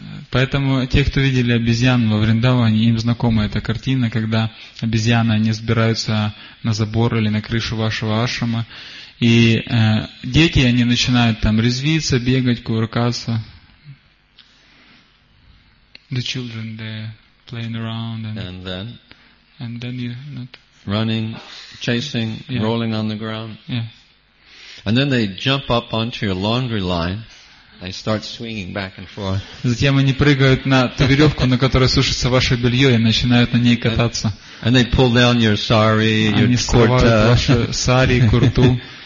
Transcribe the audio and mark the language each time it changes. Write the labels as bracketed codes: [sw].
[ru] Поэтому те, кто видели обезьян во Вриндаване, им знакома эта картина, когда обезьяны, они сбираются на забор или на крышу вашего ашрама. И дети, они начинают там резвиться, бегать, кувыркаться. [en] The children, they're playing around. And then you not running, chasing, yeah. Rolling on the ground. Yeah. And then they jump up onto your laundry line. They start swinging back and forth. [ru] Затем они прыгают на ту веревку, на которой сушится ваше белье, и начинают на ней кататься. [en] And they pull down your sari, your kurta. [ru] Они срывают ваше сари, курту.